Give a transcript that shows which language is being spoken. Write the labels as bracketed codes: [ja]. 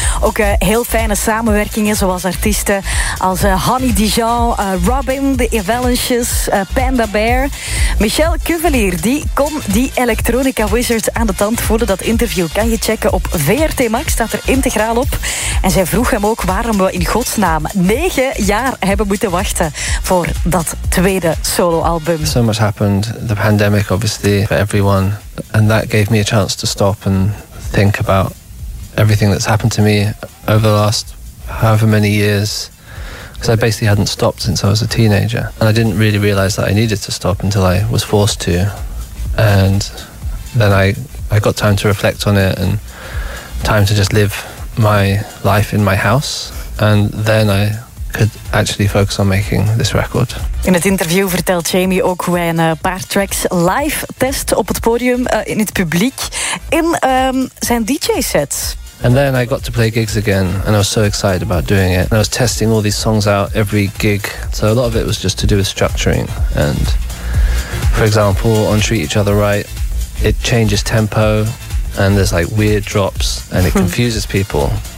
[nl] Ook heel fijne samenwerkingen, zoals artiesten als Honey Dijon, Robin, The Avalanches, Panda Bear. Michel Cuvelier, die kon die Electronica Wizard aan de tand voelen. Dat interview kan je checken op VRT Max, staat er integraal op. En zij vroeg hem ook waarom we in godsnaam 9 jaar hebben moeten wachten voor dat tweede soloalbum. [en] So much happened, the pandemic obviously, for everyone. And that gave me a chance to stop and think about everything that's happened to me over the last however many years. Because I basically hadn't stopped since I was a teenager. And I didn't really realize that I needed to stop until I was forced to. And then I got time to reflect on it and time to just live my life in my house. And then I could actually focus on making this record. [nl] In het interview vertelt Jamie ook hoe hij een paar tracks live test op het podium, in het publiek, in zijn DJ-sets. [en] And then I got to play gigs again, and I was so excited about doing it. And I was testing all these songs out every gig. So a lot of it was just to do with structuring. And for example, on Treat Each Other Right, it changes tempo, and there's like weird drops, and it confuses people.